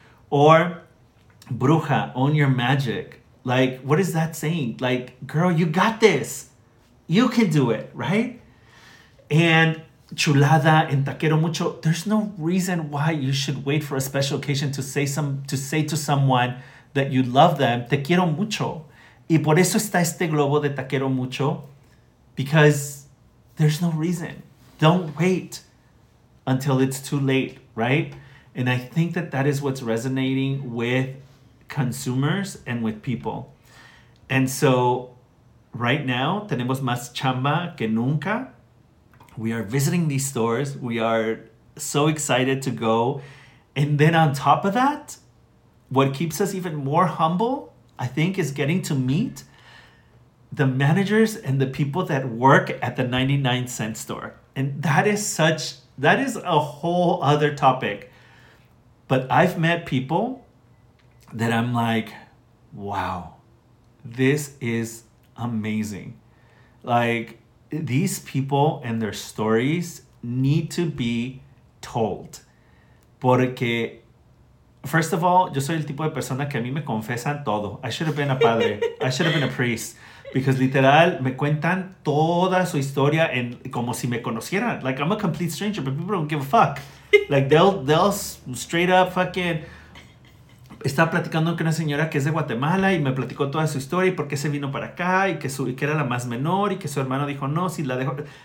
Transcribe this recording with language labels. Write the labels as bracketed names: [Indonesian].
[English] Or, bruja, own your magic. Like, what is that saying? Like, girl, you got this. You can do it, right? And chulada and [Spanish] te quiero mucho. [English] There's no reason why you should wait for a special occasion to say to someone that you love them, [Spanish] te quiero mucho. Y por eso está este globo de te quiero mucho. [English] Because there's no reason. Don't wait until it's too late, right? And I think that that is what's resonating with consumers and with people. And so right now, [Spanish] tenemos más chamba que nunca. [English] We are visiting these stores. We are so excited to go. And then on top of that, what keeps us even more humble, I think, is getting to meet the managers and the people that work at the 99 cent store. And that is such, that is a whole other topic. But I've met people that I'm like, wow, this is amazing. Like, these people and their stories need to be told. [Spanish] Porque, [English] first of all, [Spanish] yo soy el tipo de persona que a mí me confesan todo. [English] I should have been a padre. I should have been a priest. Because literal, [Spanish] me cuentan toda su historia en, como si me conocieran. [English] Like, I'm a complete stranger, but people don't give a fuck. Like, they'll straight up fucking... [Spanish] Estaba platicando con una señora que es de Guatemala y me platicó toda su historia y por qué se vino para acá y que, su, y que era la más menor y que su hermano dijo, no, si la dejo...